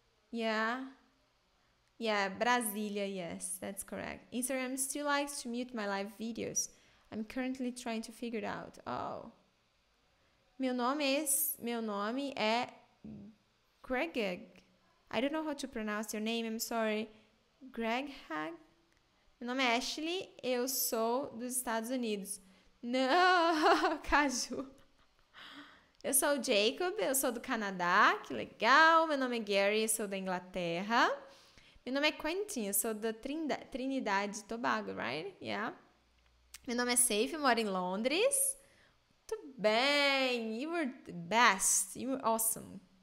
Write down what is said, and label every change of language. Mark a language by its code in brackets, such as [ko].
[en] Yeah. Yeah, Brasilia, yes, that's correct. Instagram still likes to mute my live videos. I'm currently trying to figure it out. Oh. [pt] Meu nome é Gregg. [en] I don't know how to pronounce your name, I'm sorry. Greg Hag? [pt] Meu nome é Ashley, eu sou dos Estados Unidos. Não, Caju. Eu sou o Jacob, eu sou do Canadá, que legal. Meu nome é Gary, eu sou da Inglaterra. Meu nome é Quentin, eu sou da Trinidade e Tobago, [en] right? Yeah. [pt] Meu nome é Safe, eu moro em Londres. Muito bem, [en] you were the best, you were awesome.